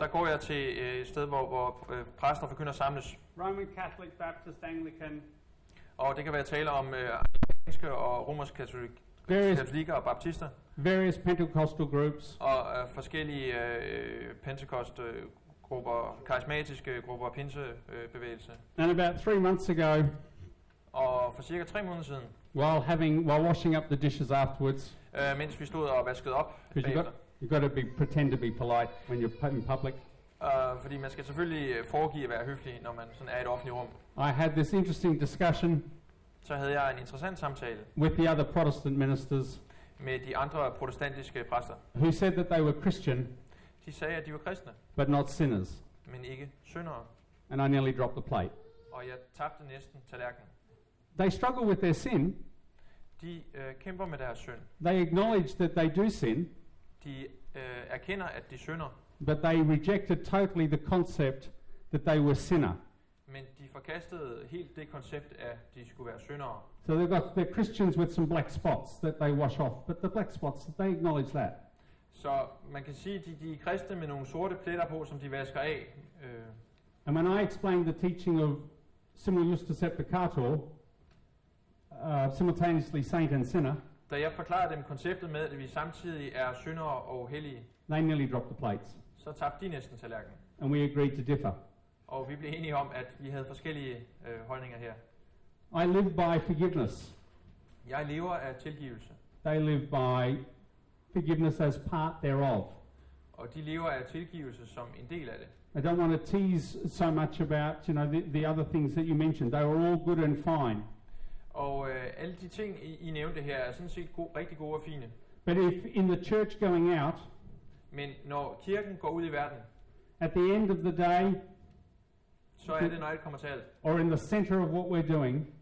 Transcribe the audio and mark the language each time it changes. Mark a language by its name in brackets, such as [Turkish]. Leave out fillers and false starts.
[Danish] Der går jeg til et sted hvor præster forkynder samles. [English] Roman Catholic, Baptist, Anglican. [Danish] Og det kan være tale om anglikanske og romersk katolikker og baptister. [English] Various Pentecostal groups. [Danish] Og forskellige Pentecostal grupper, karismatiske grupper, pinsebevægelse. [English] And about 3 months ago. [Danish] Og for cirka 3 måneder siden. [English] While washing up the dishes afterwards. [Danish] Mens vi stod og vaskede op. [English] You got to pretend to be polite when you're in public. [Danish] Fordi man skal selvfølgelig foregive at være høflig, når man sådan er i et offentligt rum. [English] I had this interesting discussion. [Danish] Så havde jeg en interessant samtale. [English] With the other Protestant ministers. [Danish] Med de andre protestantiske præster. [English] Who said that they were Christian. [Danish] De sagde at de var kristne. [English] But not sinners. [Danish] Men ikke syndere. [English] And I nearly dropped the plate. [Danish] Og jeg tabte næsten tallerkenen. [English] They struggle with their sin. [Danish] De kæmper med deres synd. [English] They acknowledge that they do sin. [Danish] De erkender at de synder. [English] But they rejected totally the concept that they were sinner. [Danish] Men de forkastede helt det koncept at de skulle være syndere. [English] So they got their Christians with some black spots that they wash off, but the black spots they acknowledge that. [Danish] Så man kan sige de er kristne med nogle sorte pletter på som de vasker af. [English] And when I explained the teaching of [Latin] Simul Iustitia Peccator. [English] Simultaneously saint and sinner. [Danish] Da jeg forklarede dem konceptet med, at vi samtidig er syndere og hellige. [English] They nearly dropped the plates. [Danish] Så tabte de næsten tallerkenen. [English] And we agreed to differ. [Danish] Og vi blev enige om, at vi havde forskellige holdninger her. [English] I live by forgiveness. [Danish] Jeg lever af tilgivelse. [English] They live by forgiveness as part thereof. [Danish] Og de lever af tilgivelse som en del af det. [English] I don't want to tease so much about, you know, the other things that you mentioned. They were all good and fine. [Danish] Og alle de ting I nævnte her er sådan set rigtig gode og fine. [English] But if in the church going out, [Danish] men når kirken går ud i verden, [English] at the end of the day, [Danish] så er det når alt kommer til alt. [English] Or in the center of what we're doing,